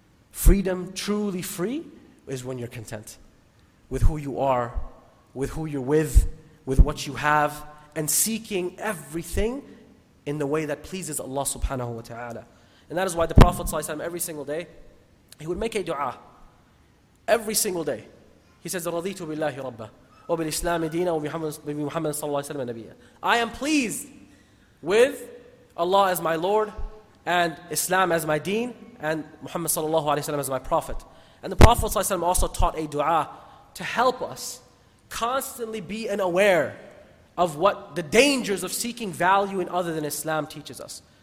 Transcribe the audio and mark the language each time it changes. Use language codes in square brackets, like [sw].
[en] Freedom, truly free, is when you're content with who you are, with who you're with what you have, and seeking everything in the way that pleases Allah subhanahu wa ta'ala. And that is why the Prophet sallallahu alayhi wa sallam, every single day, he would make a dua. Every single day. He says, [ar] رَضِيتُ بِاللَّهِ رَبَّهِ وَبِالْإِسْلَامِ دِينَ وَبِمُحَمَّدٍ صَلَّى اللَّهِ وَسَلَّمَ نَبِيًّا. [en] I am pleased with Allah as my Lord, and Islam as my deen, and Muhammad sallallahu alayhi wa sallam as my Prophet. And the Prophet sallallahu alayhi wa sallam also taught a dua to help us constantly be and aware of what the dangers of seeking value in other than Islam teaches us.